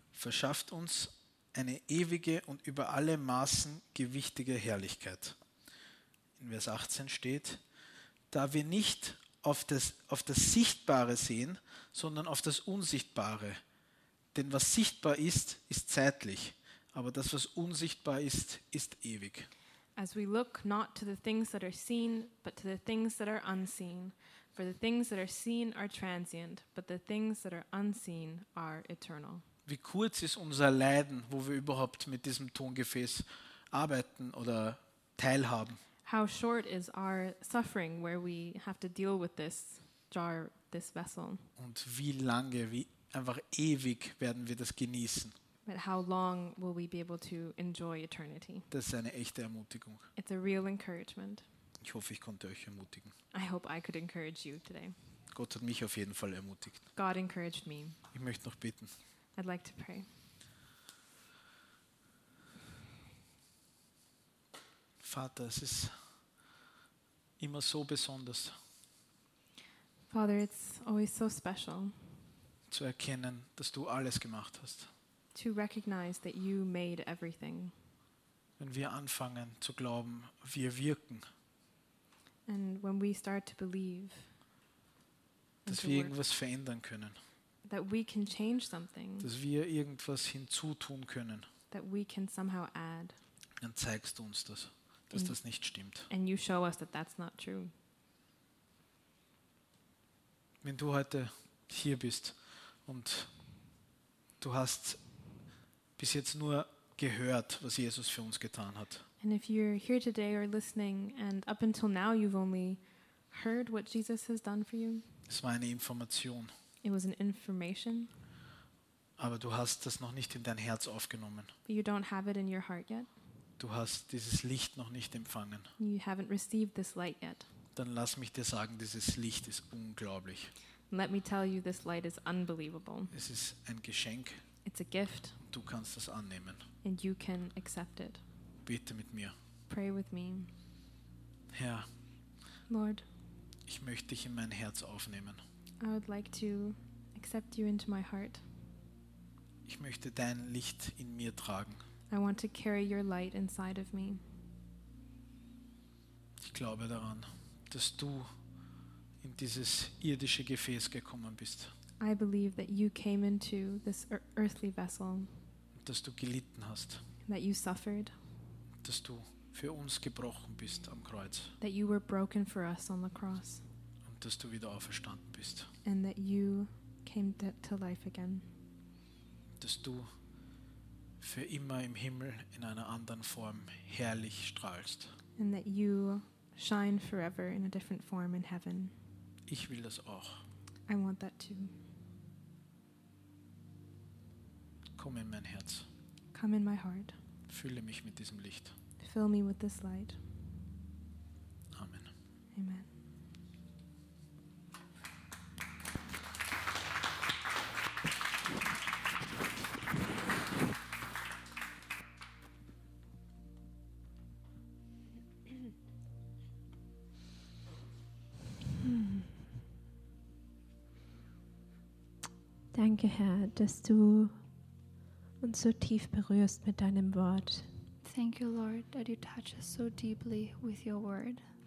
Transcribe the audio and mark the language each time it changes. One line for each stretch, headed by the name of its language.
German: Verschafft uns eine ewige und über alle Maßen gewichtige Herrlichkeit. In Vers 18 steht, da wir nicht auf das Sichtbare sehen, sondern auf das Unsichtbare. Denn was sichtbar ist, ist zeitlich, aber das, was unsichtbar ist, ist ewig.
English: As we look not to the things that are seen, but to the things that are unseen. For the things that are seen are transient, but the things that are unseen are eternal.
German: Wie kurz ist unser Leiden, wo wir überhaupt mit diesem Tongefäß arbeiten oder teilhaben?
English: How short is our suffering where we have to deal with this jar, this vessel?
German: Und wie lange, wie einfach ewig werden wir das genießen?
English: But how long will we be able to enjoy eternity?
German: Das ist eine echte Ermutigung.
English: It's a real encouragement.
German: Ich hoffe, ich konnte euch ermutigen.
English: I hope I could encourage you today.
German: Gott hat mich auf jeden Fall ermutigt.
English: God encouraged me.
German: Ich möchte noch beten.
English: I'd like to pray.
German: Vater, es ist immer so besonders.
English: Father, it's always so special.
German: Zu erkennen, dass du alles gemacht hast.
English: To recognize that you made everything.
German: Wenn wir anfangen zu glauben, wir wirken.
English: And when we start to believe.
German: Dass wir irgendwas verändern können.
English: That we can change something.
German: Dass wir irgendwas hinzutun können.
English: That we can somehow add.
German: Dann zeigst du uns das. Dass das nicht stimmt.
English: And you show us that that's not true.
German: Wenn du heute hier bist und du hast bis jetzt nur gehört, was Jesus für uns getan hat.
English: And if you're here today or listening and up until now you've only heard what Jesus has done for you.
German: Es war eine Information.
English: It was an information.
German: Aber du hast das noch nicht in dein Herz aufgenommen.
English: But you don't have it in your heart yet.
German: Du hast dieses Licht noch nicht empfangen.
English: You haven't received this light yet.
German: dann lass mich dir sagen, dieses Licht ist unglaublich.
English: Let me tell you, this light is unbelievable.
German: Es ist ein Geschenk.
English: It's a gift.
German: Du kannst das annehmen.
English: And you can accept it.
German: Bete mit mir.
English: Pray with me.
German: Herr.
English: Lord.
German: Ich möchte dich in mein Herz aufnehmen.
English: I would like to accept you into my heart.
German: Ich möchte dein Licht in mir tragen.
English: I want to carry your light inside of me.
German: Ich glaube daran, dass du in dieses irdische Gefäß gekommen bist.
English: I believe that you came into this earthly vessel.
German: Dass du gelitten hast.
English: That you suffered.
German: Dass du für uns gebrochen bist am Kreuz.
English: That you were broken for us on the cross.
German: Und dass du wieder auferstanden bist.
English: And that you came to life again.
German: Dass du für immer im Himmel in einer anderen Form herrlich strahlst.
English: And that you shine forever in a different form in heaven.
German: Ich will das auch.
English: I want that too.
German: Komm in mein Herz.
English: Come in my heart.
German: Fülle mich mit diesem Licht.
English: Fill me with this light.
German: Amen.
English: Amen.
German: Danke, Herr, dass du uns so tief berührst mit deinem Wort.
English: Thank you, Lord, that you touch us so deeply with your word.